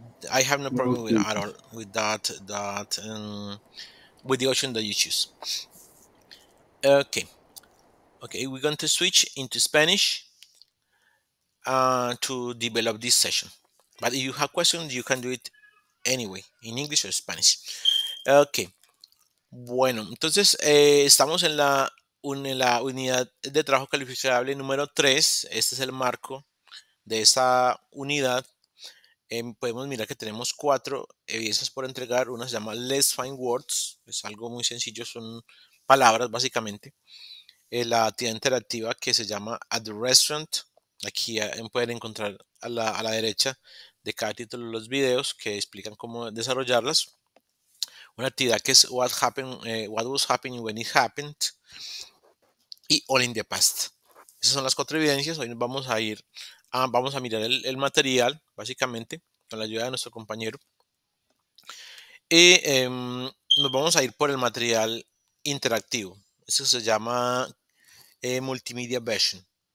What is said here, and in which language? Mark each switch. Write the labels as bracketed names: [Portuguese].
[English] I have no problem with that, with the option that you choose. Okay, we're going to switch into Spanish to develop this session. But if you have questions, you can do it. Anyway, in English or Spanish. Okay. [Spanish] Bueno, entonces estamos en la unidad de trabajo calificable número 3. Este es el marco de esta unidad. Podemos mirar que tenemos 4 evidencias por entregar. Una se llama Let's Find Words. Es algo muy sencillo, son palabras básicamente. La actividad interactiva que se llama At the Restaurant. Aquí pueden encontrar a la derecha de cada título los videos que explican cómo desarrollarlas. Una actividad que es [English] what happened, what was happening when it happened, y all in the past. [Spanish] Esas son las cuatro evidencias. Hoy vamos a ir a, vamos a mirar el material, básicamente, con la ayuda de nuestro compañero. Y nos vamos a ir por el material interactivo. Eso se llama Multimedia Version.